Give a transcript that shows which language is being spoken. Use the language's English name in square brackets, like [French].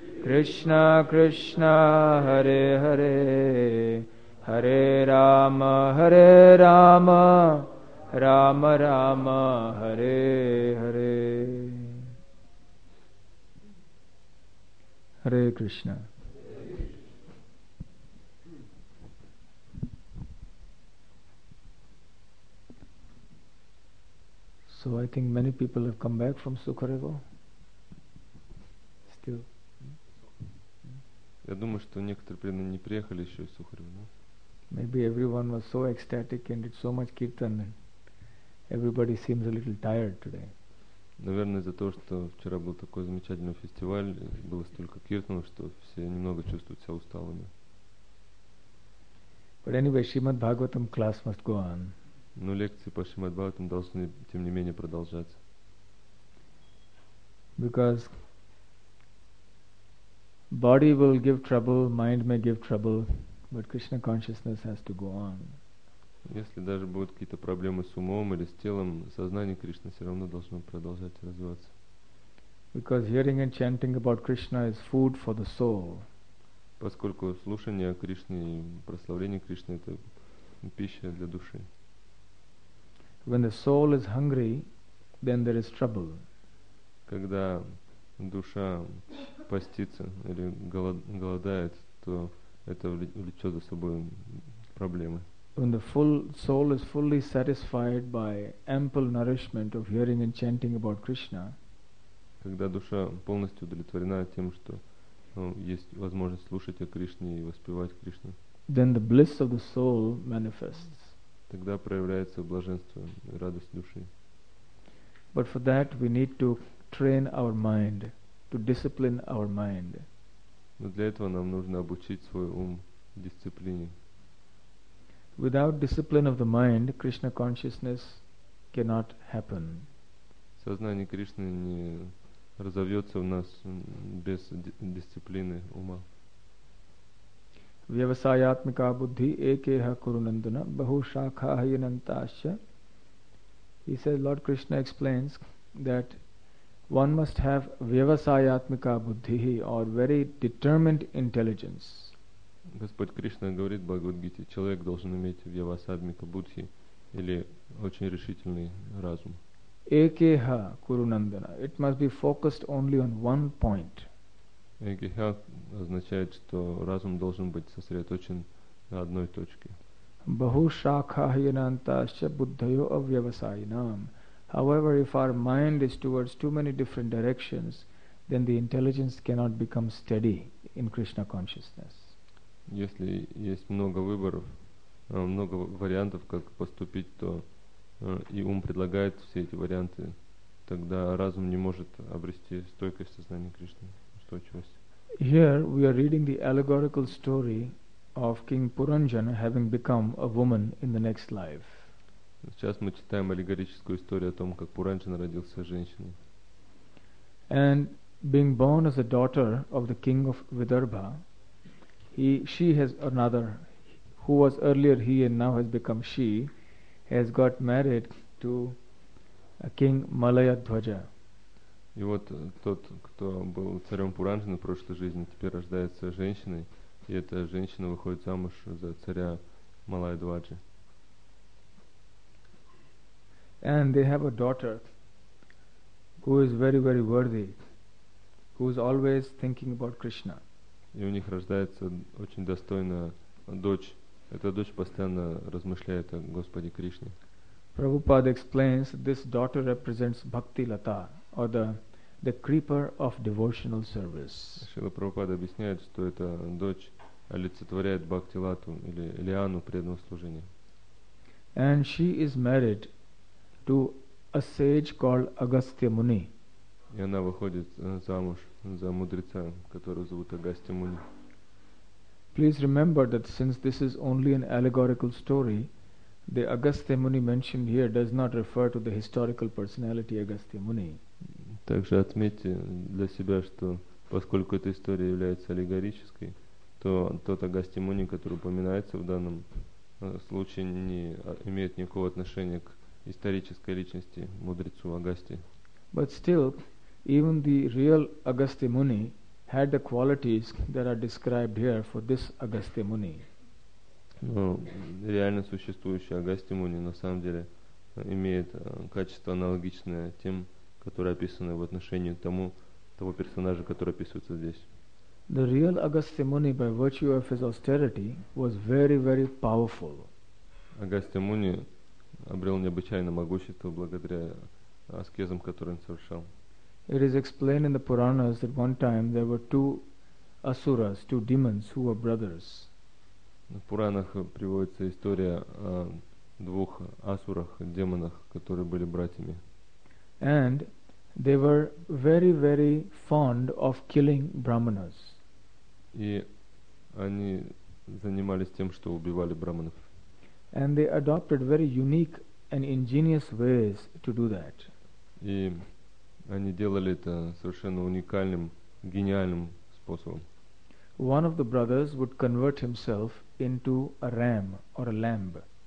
[English] Кришна Кришна Хари Хари Хари Рама Хари Рама Рама Рама Хари Хари Хари Кришна So I think many people have come back from Sukarevo. Still. [Russian] Я думаю, что некоторые преданные не приехали еще из Сухарева, да? [English] Maybe everyone was so ecstatic and did so much kirtan and everybody seems a little tired today. [Russian] Наверное, из-за того, что вчера был такой замечательный фестиваль, было столько киртанов, что все немного чувствуют себя усталыми. [English] But anyway, Shrimad Bhagavatam class must go on. [Russian] Но лекции по Шримад Бхагаватам должны, тем не менее, продолжаться. [English] Because body will give trouble, mind may give trouble, but Krishna consciousness has to go on. [Russian] Если даже будут какие-то проблемы с умом или с телом, сознание Кришны все равно должно продолжать развиваться. [English] Because hearing and chanting about Krishna is food for the soul. [Russian] Поскольку слушание Кришны и прославление Кришны это пища для души. [English] When the soul is hungry, then there is trouble. [Russian] Когда душа постится или голодает, то это влечет за собой проблемы. [English] When the full soul is fully satisfied by ample nourishment of hearing and chanting about Krishna. [Russian] Когда душа полностью удовлетворена тем, что есть возможность слушать о Кришне и воспевать Кришну. [English] Then the bliss of the soul manifests. [Russian] Тогда проявляется блаженство и радость души. [English] But for that we need to train our mind, to discipline our mind. [Russian] Но для этого нам нужно обучить свой ум дисциплине. [English] Without discipline of the mind, Krishna consciousness cannot happen. [Russian] Сознание Кришны не разовьется в нас без дисциплины ума. [Sanskrit] Вьявасайатмика Буддхи Экеха Курунандана Баху Шакхайянантаща. [English] He says, Lord Krishna explains that one must have Вьявасайатмика Буддхи or very determined intelligence. [Russian] Господь Кришна говорит в Бхагавад-гите, человек должен иметь Вьявасайатмика Буддхи или очень решительный разум. [Sanskrit] Экеха Курунандана. [English] It must be focused only on one point. [Russian] Экеха означает, что разум должен быть сосредоточен на одной точке. [Sanskrit] Bahu shakhayanantascha buddhayo avyavasayinam. [English] However, if our mind is towards too many different directions, then the intelligence cannot become steady in Krishna consciousness. [Russian] Если есть много выборов, много вариантов, как поступить, то и ум предлагает все эти варианты, тогда разум не может обрести стойкость сознания Кришны, устойчивость. [English] Here we are reading the allegorical story of King Puranjana having become a woman in the next life. [Russian] Сейчас мы читаем аллегорическую историю о том, как Пуранджана родился женщиной. [English] And being born as a daughter of the king of Vidarbha, she has another, who was earlier he and now has become she, has got married to a king Malayadhvaja. [Russian] И вот тот, кто был царем Пуранджана в прошлой жизни, теперь рождается женщиной, и эта женщина выходит замуж за царя Малайадваджи. [English] And they have a daughter who is very, very worthy, who is always thinking about Krishna. [Russian] И у них рождается очень достойная дочь. Эта дочь постоянно размышляет о Господе Кришне. [English] Prabhupada explains this daughter represents Bhakti Lata, or the creeper of devotional service. [Russian] Шрила Прабхупада объясняет, что эта дочь олицетворяет Бхакти Лату или Лиану преданного служения. [English] And she is married to a sage called Agastya Muni. [Russian] И она выходит замуж за мудреца, которого зовут Агастья Муни. [English] Please remember that since this is only an allegorical story, the Agastya Muni mentioned here does not refer to the historical personality Agastya Muni. [Russian] Также отметьте для себя, что поскольку эта история является аллегорической, то тот Агастья Муни, который упоминается в данном случае, не имеет никакого отношения к исторической личности мудрецу Агасти. [English] But still, even the real Agastya Muni had the qualities that are described here for this Agastya Muni. [Russian] Но реально существующий Агастья Муни на самом деле имеет качества аналогичные тем, которые описаны в отношении тому того персонажа, который описывается здесь. [English] The real Agastya Muni, by virtue of his austerity, was very, very powerful. [Russian] Агастья Муни обрел необычайное могущество благодаря аскезам, которые он совершал. [English] It is explained in the Puranas that one time there were two asuras, two demons, who were brothers. [Russian] В Пуранах приводится история о двух асурах, демонах, которые были братьями. [English] And they were very, very fond of killing brahmanas. [Russian] И они занимались тем, что убивали брахманов. [English] And they adopted very unique and ingenious ways to do that. [Russian] И они делали это совершенно уникальным, гениальным способом. [English] One of the brothers would convert himself into a ram or a lamb.